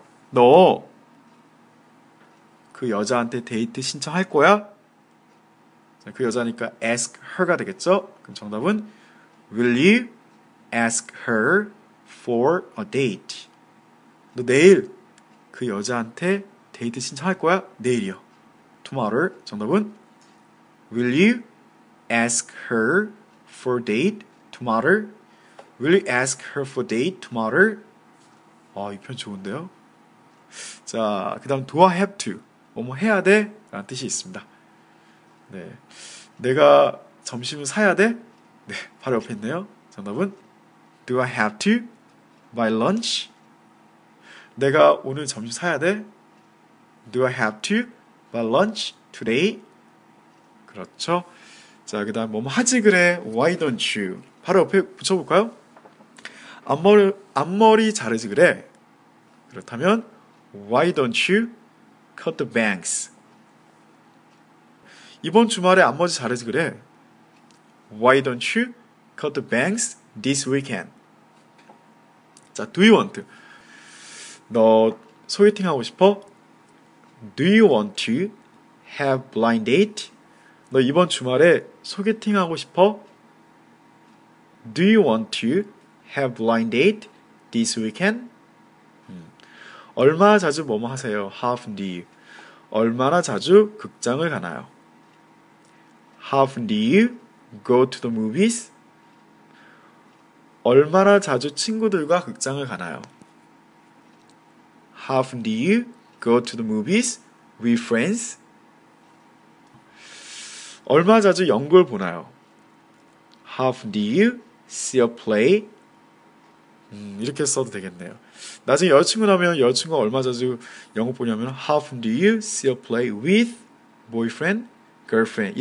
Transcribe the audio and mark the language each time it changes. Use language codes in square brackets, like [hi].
[ko] 너 그 여자한테 데이트 신청할 거야? 그 여자니까 [en] ask her가 [ko] 되겠죠? 그럼 정답은 [en] Will you ask her for a date? [ko] 너 내일 그 여자한테 데이트 신청할 거야? 내일이요. [en] Tomorrow [ko] 정답은 [en] Will you ask her for a date tomorrow? Will you ask her for a date tomorrow? [ko] 이 표현 좋은데요? 자, 그 다음 [en] Do I have to? [ko] 뭐 해야 돼? 라는 뜻이 있습니다. 네. 내가 점심을 사야 돼? 네, 바로 옆에 있네요. 정답은 [en] Do I have to buy lunch? [ko] 내가 오늘 점심 사야 돼? [en] Do I have to buy lunch today? [ko] 그렇죠. 자, 그 다음 뭐 하지 그래? [en] Why don't you? [ko] 바로 옆에 붙여볼까요? 앞머리 자르지 그래? 그렇다면 [en] Why don't you cut the bangs? [ko] 이번 주말에 앞머리 자르지 그래? [en] Why don't you cut the bangs this weekend? [ko] 자, [en] do you want? [ko] 너 소개팅하고 싶어? [en] Do you want to have blind date? [ko] 너 이번 주말에 소개팅하고 싶어? [en] Do you want to have blind date this weekend? [ko] 얼마나 자주 뭐뭐 하세요? [en] How often do you? [ko] 얼마나 자주 극장을 가나요? [en] How often do you go to the movies? [ko] 얼마나 자주 친구들과 극장을 가나요? [en] How often do you go to the movies with friends? [ko] 얼마나 자주 연극을 보나요? [en] How often do you see a play? [ko] 이렇게 써도 되겠네요. 나중에 여자친구라면 여자친구가 얼마나 자주 연극 보냐면 [en] How often do you see a play with boyfriend, girlfriend?